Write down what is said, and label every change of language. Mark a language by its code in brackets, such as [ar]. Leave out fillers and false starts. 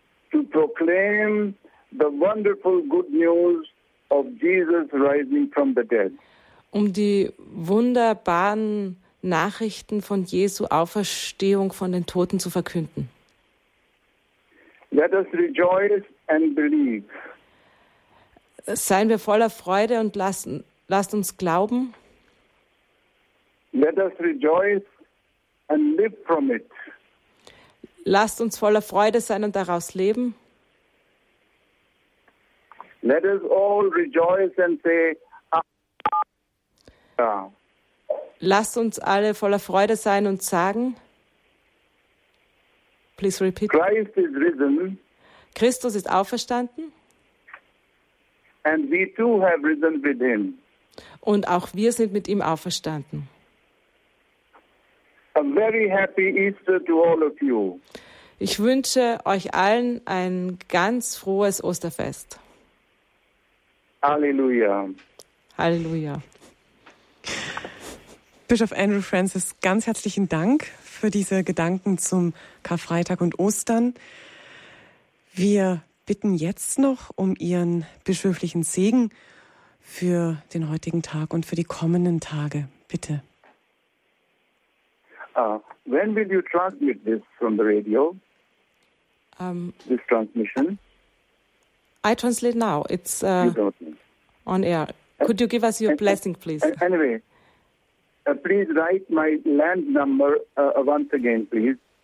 [en] to proclaim the wonderful good news of Jesus rising from the dead. [de] Um die wunderbaren Nachrichten von Jesu Auferstehung von den Toten zu verkünden. [en] Let us rejoice and believe. [de] Seien wir voller Freude und lasst uns glauben. [en] Let us rejoice and live from it. [de] Lasst uns voller Freude sein und daraus leben. [en] Let us all rejoice and say, ah. [de] Lasst uns alle voller Freude sein und sagen, [en] please repeat. Christ is risen. [de] Christus ist auferstanden. [en] And we too have risen with him. [de] Und auch wir sind mit ihm auferstanden. [en] A very happy Easter to all of you. [de] Ich wünsche euch allen ein ganz frohes Osterfest. Halleluja. Halleluja. Bischof Andrew Francis, ganz herzlichen Dank für diese Gedanken zum Karfreitag und Ostern. Wir bitten jetzt noch um Ihren bischöflichen Segen für den heutigen Tag und für die kommenden Tage. Bitte. [en] When will you transmit this from the radio? This transmission. I translate now. It's on air. Could you give us your blessing, please? Anyway, Please write my land number once again, please.